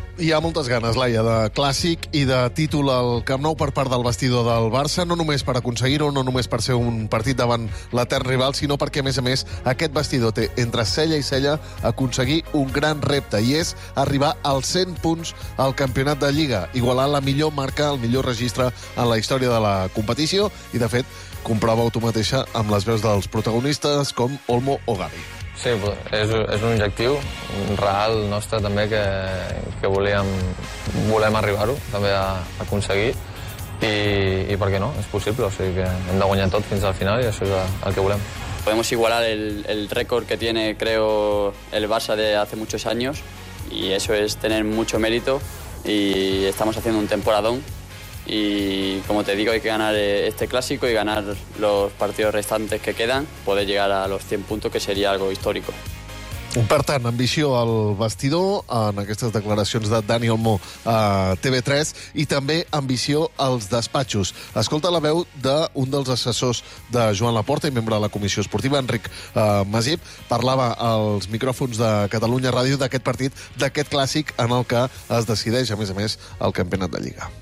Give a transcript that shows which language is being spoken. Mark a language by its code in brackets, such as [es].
[ca] Hi ha moltes ganes, Laia, de clàssic i de títol al Camp Nou per part del vestidor del Barça, no només per aconseguir-ho, no només per ser un partit davant l'etern rival, sinó perquè, a més, aquest vestidor té entre cella i cella aconseguir un gran repte, i és arribar als 100 punts al campionat de Lliga, igualar la millor marca, el millor registre en la història de la competició, i, de fet, comprova-ho tu mateixa amb les veus dels protagonistes com Olmo o Gavi. Sí, és un objectiu real nostre també que volem arribar-ho també a aconseguir i per què no, és possible, o sigui que hem de guanyar tot fins al final i això és el que volem. [es] Podemos igualar el récord que tiene, creo, el Barça de hace muchos años y eso es tener mucho mérito y estamos haciendo un temporadón y como te digo hay que ganar este clásico y ganar los partidos restantes que quedan, poder llegar a los 100 puntos que sería algo histórico. [ca] Per tant, ambició al vestidor en aquestes declaracions de Dani Olmo a TV3 i també ambició als despatxos. Escolta la veu d'un dels assessors de Joan Laporta i membre de la comissió esportiva, Enric Masip, parlava als micròfons de Catalunya Ràdio d'aquest partit, d'aquest clàssic en el que es decideix, a més, el campionat de Lliga.